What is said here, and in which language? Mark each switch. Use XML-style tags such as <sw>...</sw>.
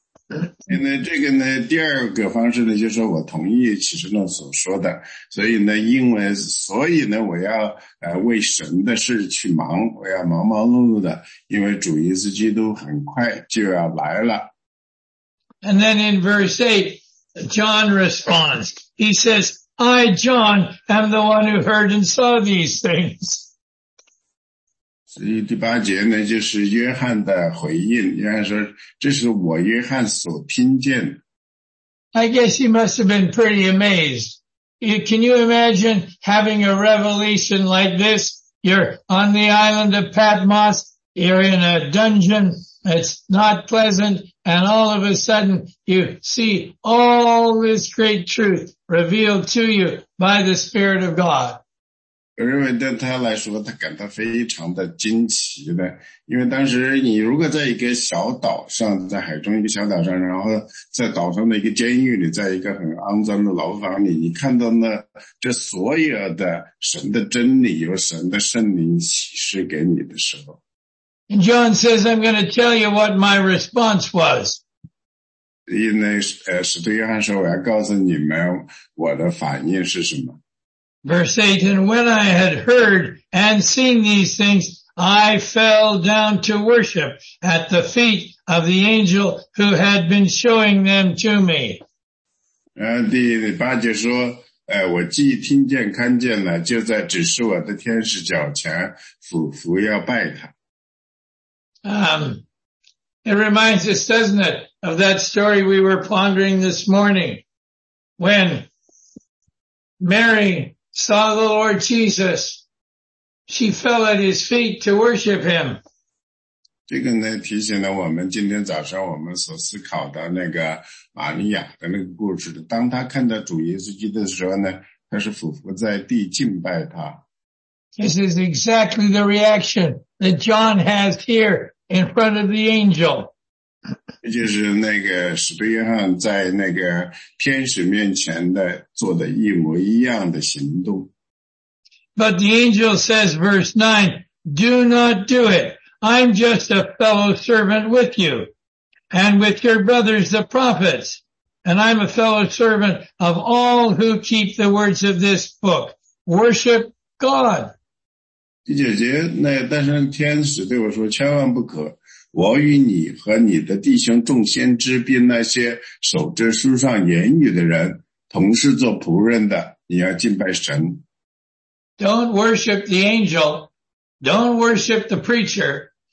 <zh>这个呢第二个方式呢就是我同意启示录所说的所以呢因为所以呢我要为神的事去忙我要忙忙碌碌的因为主耶稣基督很快就要来了。</zh> <en>And then in verse 8, John responds. He says, I, John, am the one who heard and saw these things.</en> <zh>所以第八节呢就是约翰的回应约翰说这是我约翰所听见的。</zh> <en>I guess he must have been pretty amazed. Can you imagine having a revelation like this? You're on the island of Patmos, you're in a dungeon, it's not pleasant, and all of a sudden you see all this great truth revealed to you by the Spirit of God.</en> <zh>我认为对他来说他感到非常的惊奇的因为当时你如果在一个小岛上在海中一个小岛上然后在岛上的一个监狱里在一个很肮脏的牢房里你看到呢这所有的神的真理由神的圣灵启示给你的时候。</zh> <en>And John says, I'm going to tell you what my response was.</en> <zh>因为使徒约翰说我要告诉你们我的反应是什么。</zh> <en>Verse 8, and when I had heard and seen these things, I fell down to worship at the feet of the angel who had been showing them to me.</en> <zh>第八节说，我既听见看见了，就在指示我的天使脚前俯伏要拜他。</zh> <en>It reminds us, doesn't it, of that story we were pondering this morning when Mary saw the Lord Jesus. She fell at his feet to worship him.</en> <zh>这个呢提醒了我们今天早上我们所思考的那个玛利亚的那个故事，当他看到主耶稣基督的时候呢，他是俯伏在地敬拜他。</zh> <en>This is exactly the reaction that John has here in front of the angel.</en> <zh>就是那个使徒约翰在那个天使面前的做的一模一样的行动。</zh> <en>But the angel says, verse 9, do not do it. I'm just a fellow servant with you and with your brothers, the prophets. And I'm a fellow servant of all who keep the words of this book. Worship God.</en> <zh>第九节，那但是天使对我说，千万不可，我与你和你的弟兄众先知并那些守着书上言语的人同是做仆人的，你要敬拜神。</zh> <en>Don't worship the angel. Don't worship the preacher.</en>